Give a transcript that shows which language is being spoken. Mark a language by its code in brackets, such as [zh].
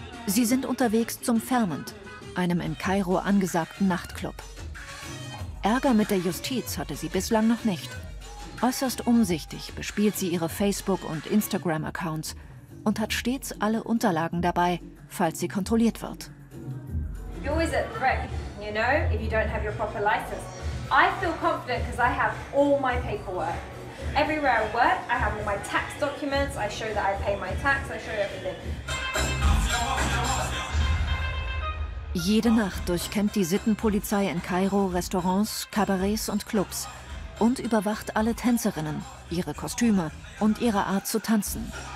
[de] Sie sind unterwegs zum Fermant, einem in Kairo angesagten Nachtclub. Ärger mit der Justiz hatte sie bislang noch nicht. Äußerst umsichtig bespielt sie ihre Facebook- und Instagram-Accounts und hat stets alle Unterlagen dabei, falls sie kontrolliert wird. [en] You're always at threat, you know, if you don't have your proper license. I feel confident because I have all my paperwork. Everywhere I work, I have all my tax documents. I show that I pay my tax, I show everything. [de] Jede Nacht durchkämmt die Sittenpolizei in Kairo Restaurants, Kabarets und Clubs und überwacht alle Tänzerinnen, ihre Kostüme und ihre Art zu tanzen.